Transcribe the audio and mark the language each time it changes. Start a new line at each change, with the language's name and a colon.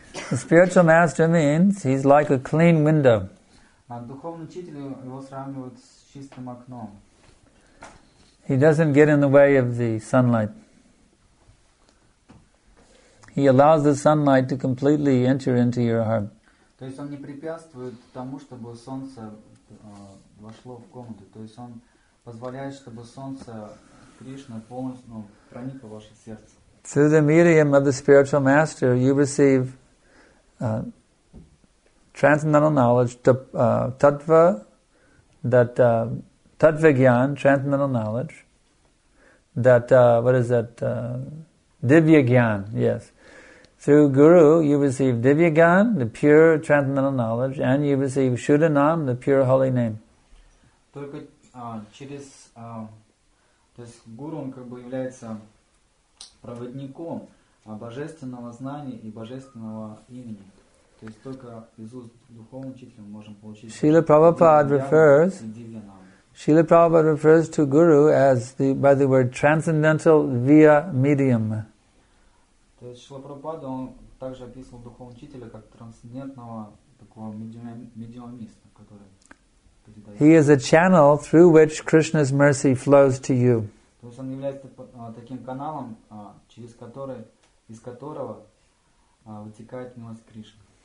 English: The spiritual master means he's like a clean window.
Russian: А духовный учитель его сравнивают с чистым окном.
English: He doesn't get in the way of the sunlight. He allows the sunlight to completely enter into your heart.
Russian: То есть он не препятствует тому, чтобы солнце вошло в комнату. То есть он позволяет, чтобы солнце Кришна полностью проникло в ваше сердце.
English: Through the medium of the spiritual master, you receive transcendental knowledge, tatva gyan, transcendental knowledge, divya gyan, yes. Through Guru, you receive divya gyan, the pure transcendental knowledge, and you receive shuddha nam, the pure holy name.
Russian: Только через, то есть Guru, он как бы является проводником божественного знания и божественного имени. То есть только из уст духовного учителя мы можем получить.
English: Шрила Прабхупада refers to Guru as the by the word transcendental via medium.
Russian: То есть Шрила Прабхупада он также описывал духовного учителя как трансцендентного такого медиумиста, который передает.
English: He is a channel through which Krishna's mercy flows to you.
Russian: То есть он является таким каналом, через который из которого вытекает милость Кришны.